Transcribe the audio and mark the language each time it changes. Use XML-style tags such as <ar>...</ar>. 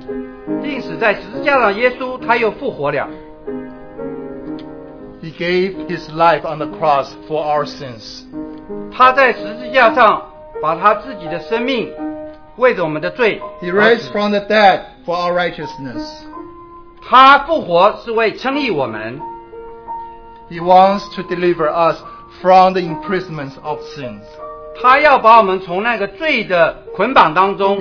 <zh>福音就是这位钉死在十字架上耶稣，他又复活了。</zh> <en>He gave his life on the cross for our sins.</en> <zh>他在十字架上把他自己的生命 为着我们的罪,</zh> <en>He raised from the dead for our righteousness.</en> <zh>他复活是为称义我们。</zh> <en>He wants to deliver us from the imprisonment of sins.</en> <zh>他要把我们从那个罪的捆绑当中</zh>